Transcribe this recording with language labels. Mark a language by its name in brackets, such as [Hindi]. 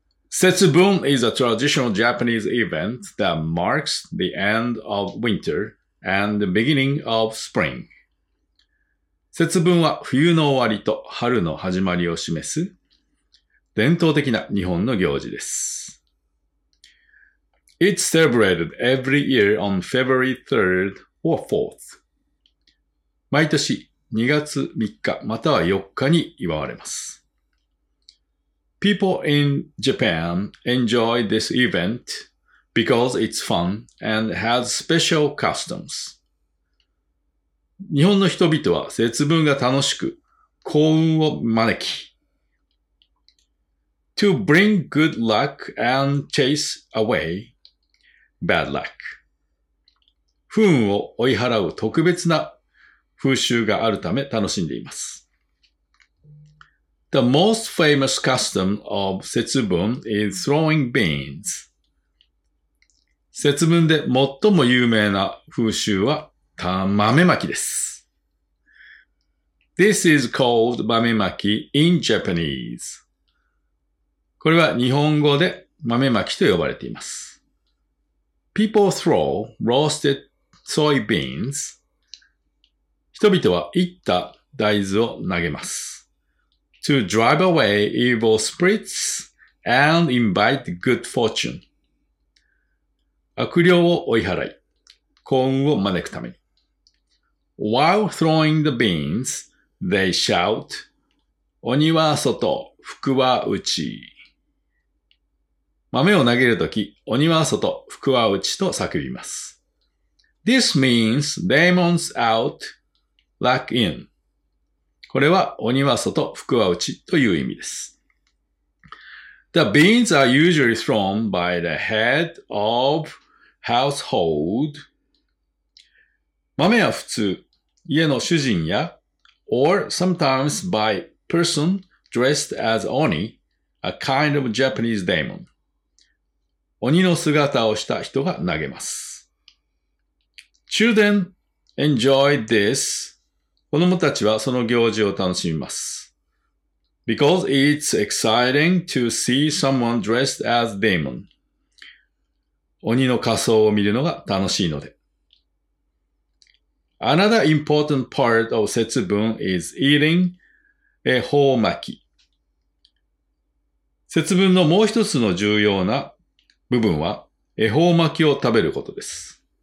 [English] Setsubun is a traditional Japanese event that marks the end of winter and the beginning of spring. [Japanese] Setsubun は冬の終わりと春の始まりを示す伝統的な日本の行事です。 [English] It's celebrated every year on February 3rd or 4th. [Japanese] 毎年2月3日または4日に祝われます。 [English] People in Japan enjoy this event because it's fun and has special customs. [Japanese] 日本の人々は節分が楽しく幸運を招き。 [English] To bring good luck and chase away bad luck. [Japanese] 不運を追い払う特別な風習があるため楽しんでいます。 [English] The most famous custom of Setsubun is throwing beans. [Japanese] 節分で最も有名な風習は豆まきです。 [English] This is called 豆まき in Japanese. [Japanese] これは日本語で豆まきと呼ばれています。 [English] People throw roasted soybeans. [Japanese] 人々は煎った大豆を投げます。 [English] To drive away evil spirits and invite good fortune. [Japanese] 悪霊を追い払い、幸運を招くために。 [English] While throwing the beans, they shout, [Japanese] 鬼は外、福は内。豆を投げるとき、鬼は外、福は内と叫びます。 [English] This means demons out, luck in. [Japanese] これは鬼は外、福は内という意味です。 [English] The beans are usually thrown by the head of household. [Japanese] 豆は普通、家の主人や、 [English] or sometimes by person dressed as oni, a kind of Japanese demon. [Japanese] 鬼の姿をした人が投げます。 [English] Children enjoy this. [Japanese] 子供たちはその行事を楽しみます。 [English] Because it's exciting to see someone dressed as demon. [Japanese] 鬼の仮装を見るのが楽しいので。 [English] Another important part of 節分 is eating 恵方巻き。 [Japanese] 節分のもう一つの重要な部分は恵方巻きを食べることです。